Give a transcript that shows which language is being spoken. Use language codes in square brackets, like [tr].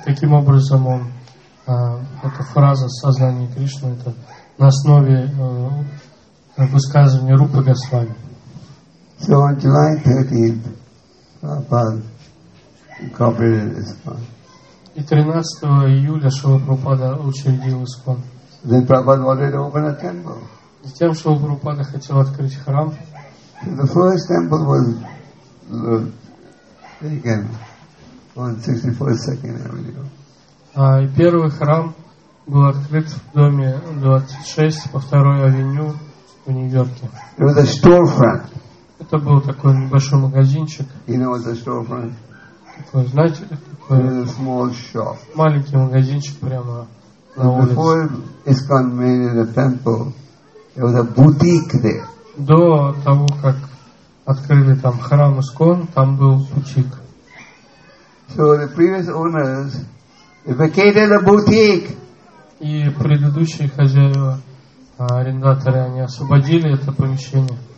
[ru] Таким образом, он эта фраза сознание Кришны это на основе высказывания Рупы Госвами. [en] So on July 13th, Prabhupada incorporated ISKCON. [ru] И 13 июля Шрила Прабхупада учредил ISKCON. [en] Then Prabhupada wanted to open a temple. [ru] Затем Шрила Прабхупада хотел открыть храм. [en] So the first temple was taken on 64 Second Avenue. [ru] И первый храм был открыт в доме 26 по 2 авеню в Нью-Йорке. [en] It was a storefront. [ru] Это был такой небольшой магазинчик. [en] You know what the storefront? [ru] Такой, знаете, такой [en] it was a small shop. [ru] Маленький магазинчик прямо на улице. [en] Before ISKCON made it a temple, there was a boutique there. [ru] До того, как открыли там храм ISKCON, там был бутик. [en] So the previous owners vacated the boutique. [ru] И предыдущие хозяева, арендаторы, они освободили это помещение.